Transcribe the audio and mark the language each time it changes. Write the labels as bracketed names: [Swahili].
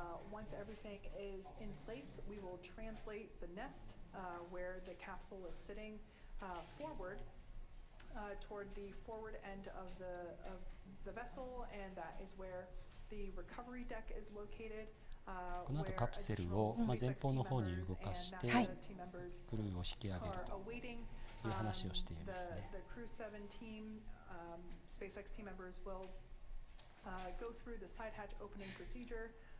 [English] Once everything is in place, we will translate the nest where the capsule is sitting forward toward the forward end of the vessel, and that is where the recovery deck is located. [Japanese] この後カプセルを前方の方に動かしてクルーを引き上げるという話をしていますね。 [English] The Crew 7 team, SpaceX team members will go through the side hatch opening procedure.